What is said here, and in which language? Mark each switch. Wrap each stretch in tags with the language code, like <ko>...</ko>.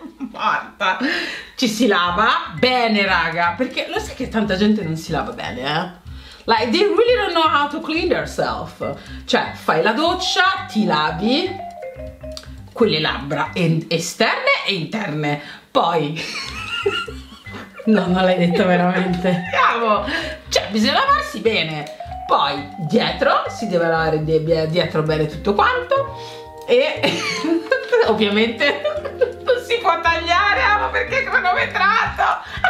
<it>Marta, ci si lava bene, raga, perché lo sai che tanta gente non si lava bene, eh?</it> <en>Like, they really don't know how to clean themselves.</en> <it>Cioè, fai la doccia, ti lavi quelle labbra esterne e interne, poi no, non l'hai detto veramente. Bravo. Cioè, bisogna lavarsi bene, poi dietro si deve lavare dietro bene tutto quanto e ovviamente non si può tagliare, amo, perché è cronometrato.</it>